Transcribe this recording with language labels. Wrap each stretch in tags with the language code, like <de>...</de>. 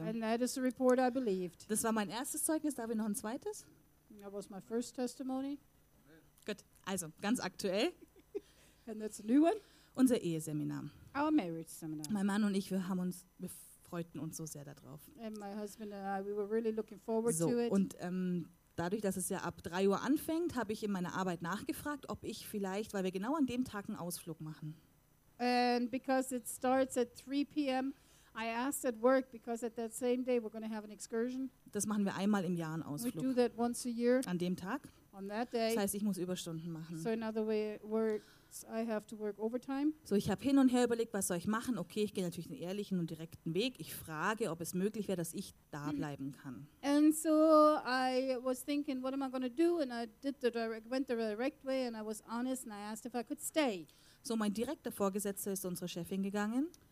<en>And that is the report I believed.</en> <de>Das war mein erstes Zeugnis, darf ich noch ein zweites?</de> <en>That was my first testimony.</en> <de>Gut, also ganz aktuell.</de> <en>And that's a new one.</en> <de>Unser Eheseminar.</de> <en>Our marriage seminar.</en> <de>Mein Mann und ich, wir haben uns freuten uns so sehr darauf.</de> <en>And my husband and I, we were really looking forward so, to it.</en> <de>Und dadurch, dass es ja ab 3 Uhr anfängt, habe ich in meiner Arbeit nachgefragt, ob ich vielleicht, weil wir genau an dem Tag einen Ausflug machen.</de> <en>And because it starts at 3 p.m., I asked at work, because at that same day we're going to have an excursion.</en> <de>Das machen wir einmal im Jahr einen Ausflug.</de> <en>We do that once a year.</en> <de>An dem Tag.</de> <en>On that day.</en> <de>Das heißt, ich muss Überstunden machen.</de> <en>So in other words, I have to work overtime.</en> <de>So, ich habe hin und her überlegt, was soll ich machen? Okay, ich gehe natürlich den ehrlichen und direkten Weg. Ich frage, ob es möglich wäre, dass ich da bleiben kann.</de> <en>And so I was thinking, what am I going to do? And I did the direct, went the direct way, and I was honest, and I asked if I could stay.</en> <de>So, mein direkter Vorgesetzter ist unsere Chefin gegangen.</de>